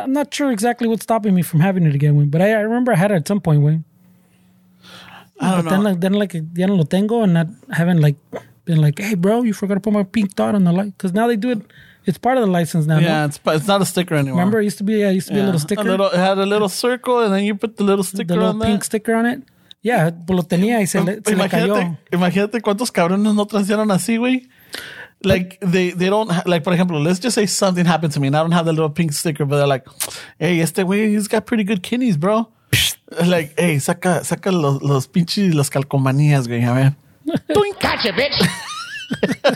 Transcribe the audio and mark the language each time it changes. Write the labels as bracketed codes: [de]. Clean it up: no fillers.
[en] I'm not sure exactly what's stopping me from having it again, way. But I remember I had it at some point, way. I don't know. Then [es] ya no lo tengo, [en] and not having, like, been like, hey, bro, you forgot to put my pink dot on the light. Because now they do it. It's part of the license now. Yeah, it's not a sticker anymore. Remember, it used to be a little sticker? It had a little circle, and then you put the little sticker on that. Pink sticker on it. [es] Yeah, pues lo tenía y se le cayó. Imagínate cuántos cabrones no transieron así, güey. [en] Like, they don't, like, for example, let's just say something happened to me and I don't have the little pink sticker, but they're like, hey, [es] este güey, [en] he's got pretty good kidneys, bro. [es] Like, hey, saca los pinches y las calcomanías, güey, a ver. [en] Doing catch it, bitch.